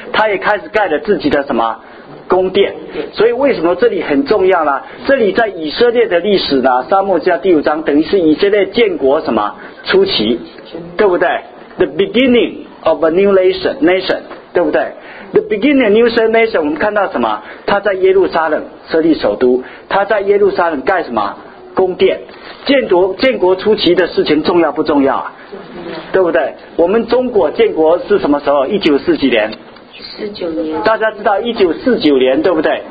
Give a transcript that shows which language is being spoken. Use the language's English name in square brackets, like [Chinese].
[Chinese] 他也开始盖了自己的什么宫殿。所以为什么这里很重要呢？这里在以色列的历史呢，撒母耳记下第五章等于是以色列建国什么初期，对不对？ [English] The beginning of a new nation， [Chinese] 对不对？ [English] The beginning new nation， [Chinese] 我们看到什么？他在耶路撒冷设立首都，他在耶路撒冷盖什么宫殿？建国初期的事情重要不重要？对不对？我们中国建国是什么时候？ 1949年。 1949年。大家知道1949年对不对？